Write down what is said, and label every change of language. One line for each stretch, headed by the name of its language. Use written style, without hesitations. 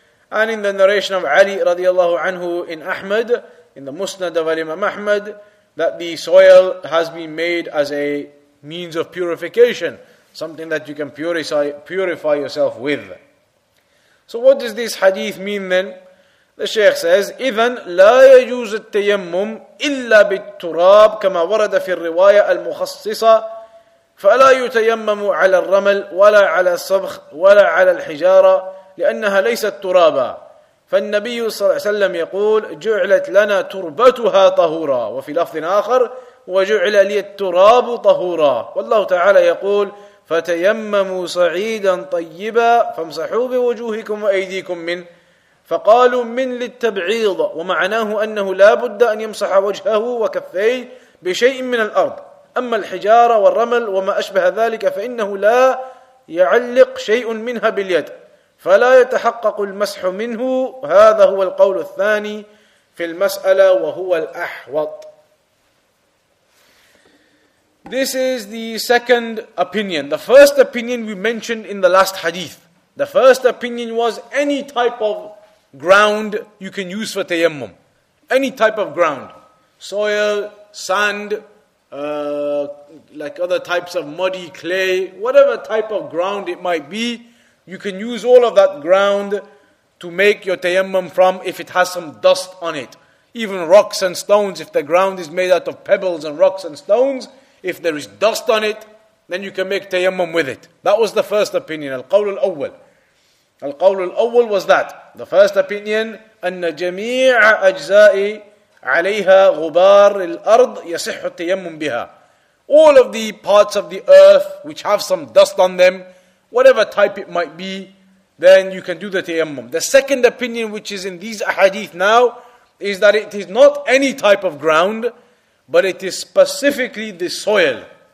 English: And in the narration of Ali radiallahu anhu in Ahmad, in the Musnad of Imam Ahmad, that the soil has been made as a means of purification, something that you can purify yourself with. So what does this hadith mean then? The Shaykh says,
Arabic: إِذَنْ لَا يَجُوزُ التَّيَمُّمْ إِلَّا بِالتُّرَابِ كَمَا وَرَدَ فِي الرِّوَايَةِ الْمُخَصِّصَةِ فَأَلَا يُتَيَمَّمُ عَلَى الرَّمَلِ وَلَا عَلَى الصَّبْخِ وَلَا عَلَى الْحِجَارَةِ لِأَنَّهَا لَيْسَتْ تُرَابًا فَالنَّبِيُّ صلى الله عليه وسلم يقول, جُعْلَتْ لَنَا تُرْبَتُهَا طَهُورًا وفي لفظ آخر, وَجُعْلَ لِي التُّرَابُ طَهُورًا والله تعالى يقول, فَتَيَمَّمُوا صَعِيدًا طَيِّبًا فَامْسَحُوا بِوُجُوهِكُمْ وَأَيْدِيكُمْ مِنْ فقالوا من للتبعيض ومعناه أنه لا بد أن يمسح وجهه وكفيه بشيء من الأرض أما الحجارة والرمل وما أشبه ذلك فإنه لا يعلق شيء منها باليد فلا يتحقق المسح منه هذا هو القول الثاني في المسألة وهو الأحوط.
English: This is the second opinion. The first opinion we mentioned in the last hadith. The first opinion was any type of ground you can use for tayammum. Any type of ground. Soil, sand, like other types of muddy clay, whatever type of ground it might be, you can use all of that ground to make your tayammum from if it has some dust on it. Even rocks and stones, if the ground is made out of pebbles and rocks and stones, if there is dust on it, then you can make tayammum with it. That was the first opinion,
Arabic: al-qawl al-awwal. القول الأول
English: was that. The first opinion,
Arabic: أن جميع أجزاء عليها غبار الأرض يصح التيمم بها.
English: All of the parts of the earth which have some dust on them, whatever type it might be, then you can do the tayammum. The second opinion which is in these ahadith now, is that it is not any type of ground, but it is specifically the soil.